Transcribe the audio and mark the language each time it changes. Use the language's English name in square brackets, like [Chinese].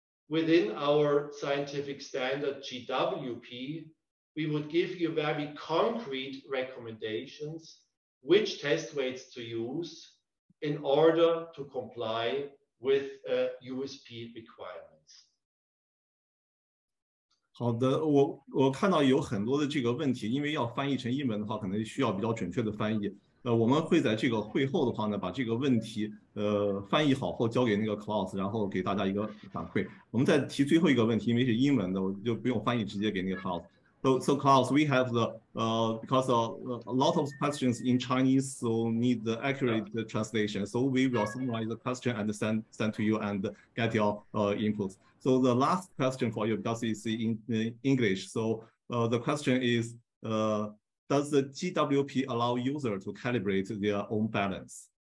[English] Within our scientific standard GWP, we would give you very concrete recommendations which test weights to use in order to comply with USP requirements. [Chinese] 好的，我看到有很多的这个问题，因为要翻译成英文的话，可能需要比较准确的翻译。我们会在这个会后的话呢，把这个问题翻译好后交给那个 Klaus， 然后给大家一个反馈。我们再提最后一个问题，因为是英文的，我就不用翻译，直接给那个 Klaus。 [English] So Klaus, we have the because a lot of questions in Chinese, so need the accurate translation. So we will summarize the question and send to you and get your inputs. So the last question for you, because it's in English. So the question is, does the GWP allow user to calibrate their own balance?